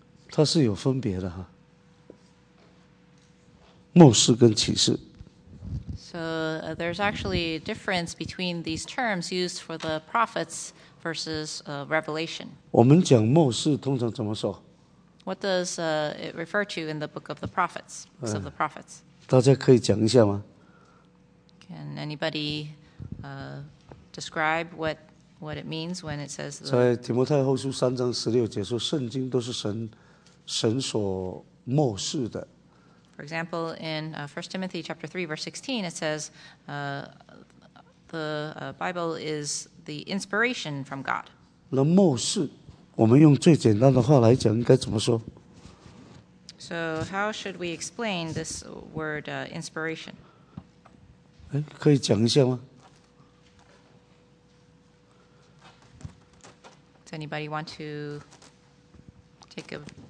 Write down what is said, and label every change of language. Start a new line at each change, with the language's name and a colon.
Chinese: 它是有分别的哈，默示跟启示。
English: So there's actually a difference between these terms used for the prophets versus revelation.
Chinese: 我们讲默示通常怎么说？
English: What does it refer to in the book of the prophets? Of the prophets.
Chinese: 大家可以讲一下吗？
English: Can anybody describe what it means when it says?
Chinese: 在提摩太后书3章16节说，圣经都是神。神所默示的。
English: For example, in 1 Timothy chapter 3, verse 16, it says, Bible is the inspiration from God.
Chinese: 那默示，我们用最简单的话来讲，应该怎么说？
English: So how should we explain this word, inspiration?
Chinese: 可以讲一下吗？
English: Does anybody want to take a...